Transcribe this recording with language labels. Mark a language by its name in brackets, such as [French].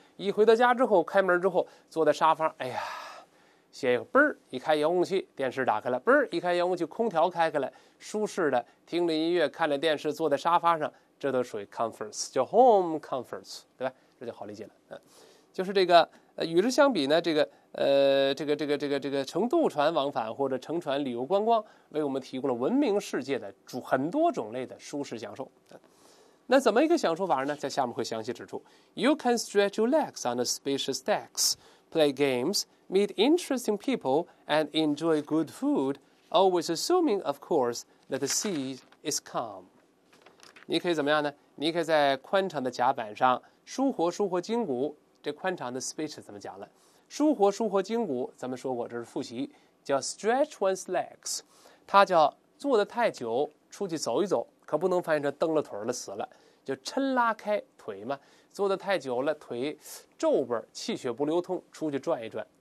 [Chinese] 一回到家之后，开门之后坐在沙发，哎呀，歇一会儿，嘣儿一开遥控器，电视打开了，嘣儿一开遥控器，空调开开了，舒适的听着音乐，看着电视，坐在沙发上，这都属于 comforts， 叫 home comforts， 对吧？这就好理解了。就是这个与之相比呢，这个乘渡船往返或者乘船旅游观光，为我们提供了文明世界的很多种类的舒适享受。那怎么一个享受法呢？在下面会详细指出。 [English] You can stretch your legs on the spacious decks, play games, meet interesting people, and enjoy good food, always assuming, of course, that the sea is calm. [Chinese] 你可以怎么样呢？你可以在宽敞的甲板上舒活筋骨。这宽敞的 spacious 怎么讲呢？舒活筋骨，咱们说过这是复习，叫 [English] stretch one's legs， [Chinese] 它叫坐得太久，出去走一走，可不能翻译成蹬了腿了死了，就抻拉开腿嘛，坐得太久了，腿皱巴，气血不流通，出去转一转。